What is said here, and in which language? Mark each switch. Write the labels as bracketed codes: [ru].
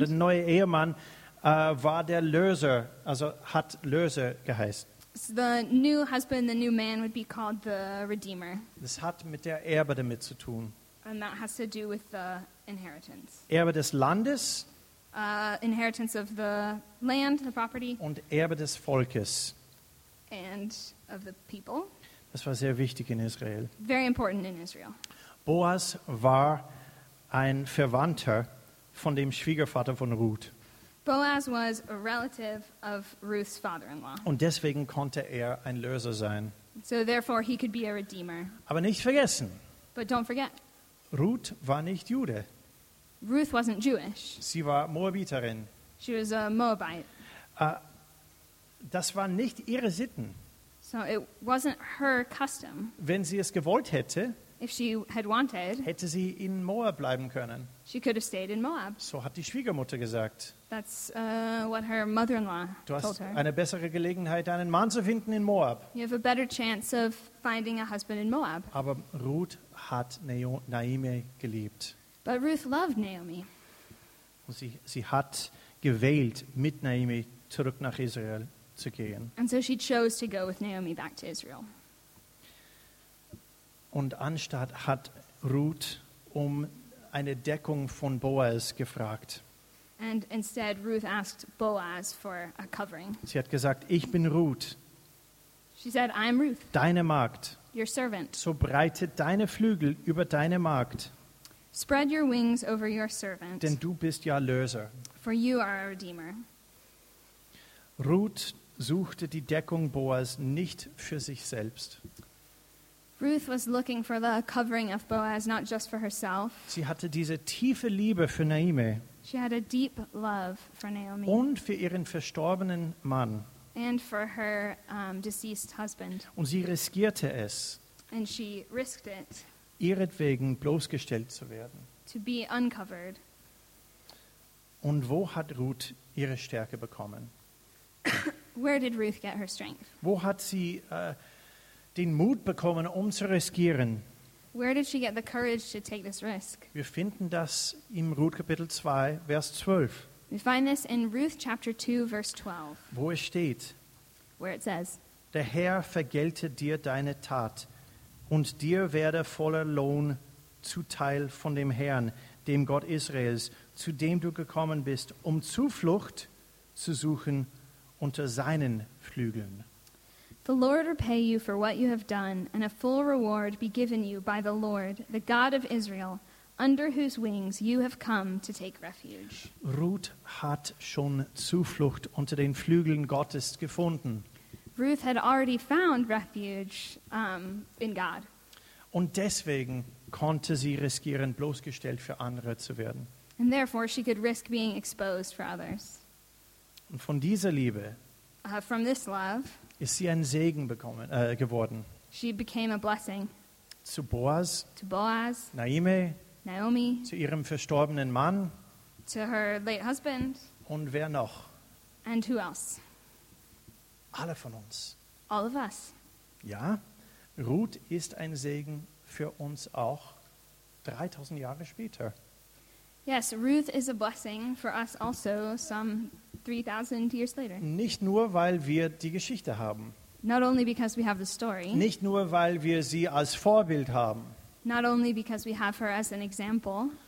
[de] der neue Ehemann, war der Löser, also hat Löser geheißen. [en] So the new husband, the new man would be called the redeemer. [de] Das hat mit der Erbe damit zu tun. [en] And that has to do with the inheritance. [de] Erbe des Landes. [en] Inheritance of the land, the property. [de] Und Erbe des Volkes. [en] And of the people. [de] Das war sehr wichtig in Israel. [en] Very important in Israel. [de] Boas war ein Verwandter von dem Schwiegervater von Ruth. [en] Boaz was a relative of Ruth's father-in-law. [de] Und deswegen konnte er ein Löser sein. [en] So therefore he could be a redeemer. [de] Aber nicht vergessen. [en] But don't forget. [de] Ruth war nicht Jude. [en] Ruth wasn't Jewish. [de] Sie war Moabiterin. [en] She was a Moabite. [de] Das waren nicht ihre Sitten. [en] So it wasn't her custom. [de] Wenn sie es gewollt hätte, [en] if she had wanted, [de] hätte sie in Moab bleiben können. [en] She could have stayed in Moab. [de] So hat die Schwiegermutter gesagt. [en] That's what her mother-in-law told her. [de] Du hast eine bessere Gelegenheit, einen Mann zu finden in Moab. [en] You have a better chance of finding a husband in Moab. [de] Aber Ruth hat Naomi geliebt. [en] But Ruth loved Naomi. [de] Und sie hat gewählt, mit Naomi zurück nach Israel zu gehen. [en] And so she chose to go with Naomi back to Israel. [de] Und anstatt hat Ruth um eine Deckung von Boaz gefragt. [en] And instead Ruth asked Boaz for a covering. [de] Sie hat gesagt, ich bin Ruth. [en] She said, I'm Ruth. [de] Deine Magd. [en] Your servant. [de] So breite deine Flügel über deine Magd. [en] Spread your wings over your servant. [de] Denn du bist ja Löser. [en] For you are a redeemer. [de] Ruth suchte die Deckung Boaz nicht für sich selbst. [en] Ruth was looking for the covering of Boaz, not just for herself. [de] Sie hatte diese tiefe Liebe für Naomi. [en] She had a deep love for Naomi. [de] Und für ihren verstorbenen Mann. [en] And for her deceased husband. [de] Und sie riskierte es. [en] And she risked it. [de] Ihretwegen bloßgestellt zu werden. [en] To be uncovered. [de] Und wo hat Ruth ihre Stärke bekommen? [en] Where did Ruth get her strength? [de] Wo hat sie den Mut bekommen, um zu riskieren? [en] Where did she get the courage to take this risk? [de] Wir finden das im Ruth Kapitel 2, Vers 12. [en] We find this in Ruth chapter 2, verse 12. [de] Wo es steht. [en] Where it says. [de] Der Herr vergelte dir deine Tat, und dir werde voller Lohn zuteil von dem Herrn, dem Gott Israels, zu dem du gekommen bist, um Zuflucht zu suchen unter seinen Flügeln. [en] The Lord repay you for what you have done, and a full reward be given you by the Lord, the God of Israel, under whose wings you have come to take refuge. [de] Ruth hat schon Zuflucht unter den Flügeln Gottes gefunden. [en] Ruth had already found refuge in God. [de] Und deswegen konnte sie riskieren, bloßgestellt für andere zu werden. [en] And therefore she could risk being exposed for others. [de] Und von dieser Liebe [en] from this love, [de] ist sie ein Segen bekommen, geworden. [en] She became a blessing. [de] Zu Boaz, [en] to Boaz, [de] Naomi, zu ihrem verstorbenen Mann, [en] to her late husband, [de] und wer noch? [en] And who else? [de] Alle von uns. [en] All of us. [de] Ja, Ruth ist ein Segen für uns auch 3000 Jahre später. [en] Yes, Ruth is a blessing for us also some 3000 years later. [de] Nicht nur, weil wir die Geschichte haben. [en] Not only because we have the story. [de] Nicht nur, weil wir sie als Vorbild haben. [en] Not only because we have her as an example.